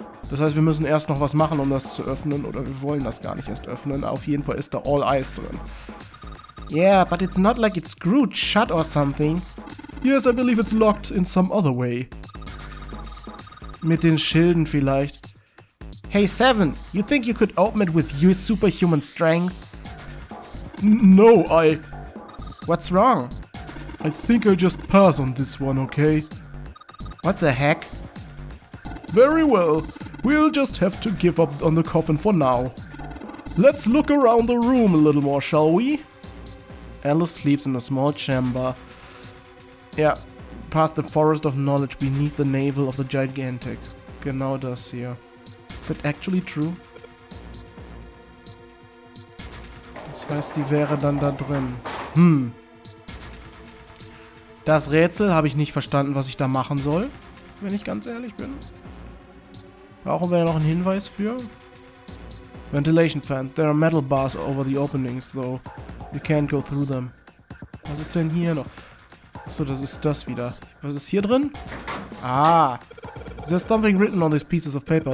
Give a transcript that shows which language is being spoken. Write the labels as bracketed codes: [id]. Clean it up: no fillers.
[de] Das heißt, wir müssen erst noch was machen, um das zu öffnen. Oder wir wollen das gar nicht erst öffnen. Auf jeden Fall ist da all eyes drin. [en] Yeah, but it's not like it's screwed shut or something. Yes, I believe it's locked in some other way. [de] Mit den Schilden vielleicht. [en] Hey Seven, you think you could open it with your superhuman strength? No, I... What's wrong? I think I just pass on this one, okay? What the heck? Very well. We'll just have to give up on the coffin for now. Let's look around the room a little more, shall we? Alice sleeps in a small chamber. Yeah, past the forest of knowledge beneath the navel of the gigantic. [de] Genau das hier. [en] Is that actually true? [de] Das heißt, die wäre dann da drin. Hm. Das Rätsel habe ich nicht verstanden, was ich da machen soll, wenn ich ganz ehrlich bin. Brauchen wir da noch einen Hinweis für? [en] Ventilation fan. There are metal bars over the openings, though. You can't go through them. [de] Was ist denn hier noch? Achso, das ist das wieder. Was ist hier drin? Ah. [en] There's something written on these pieces of paper.